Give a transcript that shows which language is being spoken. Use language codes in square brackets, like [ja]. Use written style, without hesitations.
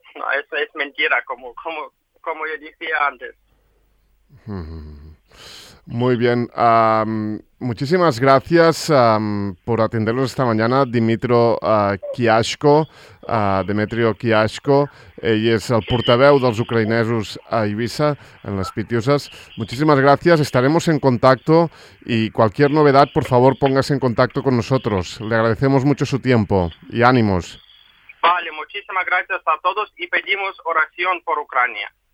[es] No, eso es mentira, como yo decía antes. Muy bien. Muchísimas gracias por atendernos esta mañana, Dimitro Kiasko, Demetrio Kiasko. [ca] Ell és el portaveu dels ucraïnesos a Eivissa, en les Pitiüses. [es] Muchísimas gracias. Estaremos en contacto y cualquier novedad, por favor, póngase en contacto con nosotros. Le agradecemos mucho su tiempo y ánimos. Vale, muchísimas gracias a todos y pedimos oración por Ucrania.